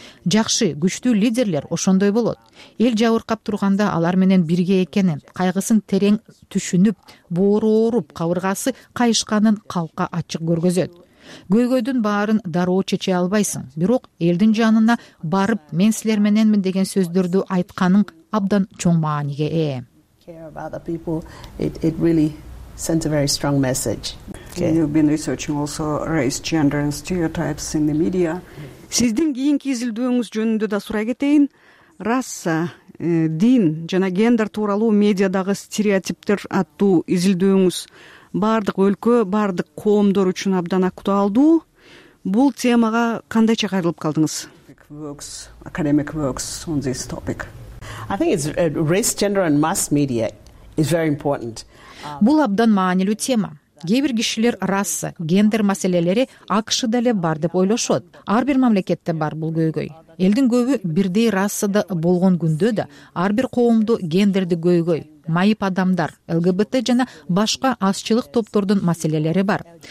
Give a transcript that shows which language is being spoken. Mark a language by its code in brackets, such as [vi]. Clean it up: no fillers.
[ky] Жакшы, күчтүү лидерлер ошондой болот. Эл жабыркап турганда алар менен бирге экенин, кайгысын терең түшүнүп, боору ооруп, кабыргасы кайышканын калкка ачык көргөзөт. Көйгөйдүн баарын дароо чече албайсың, бирок элдин жанына барып, мен силер мененмин деген сөздөрдү айтканың абдан чоң мааниге ээ. [en] Sends a very strong message. Okay. You've been researching also race, gender and stereotypes in the media. [ky] Сиздин кийинки изилдөөңүз жөнүндө да сурай кетейин. Раса, дин жана гендер тууралуу медиадагы стереотиптер аттуу изилдөөңүз бардык өлкө, бардык коомдор үчүн абдан актуалдуу. Бул темага кандайча кайрылып калдыңыз? [en] Academic works on this topic. I think it's race, gender and mass media is very important. [ky] Бул абдан маанилүү тема. Кээ бир кишилер раса, гендер маселелери АКШда эле бар деп ойлошот. Ар бир мамлекетте бар бул көйгөй. Элдин көбү бирдей расада болгон күндө да ар бир коомдо гендерди көйгөй, майып адамдар, ЛГБТ жана башка азчылык топтордун маселелери бар.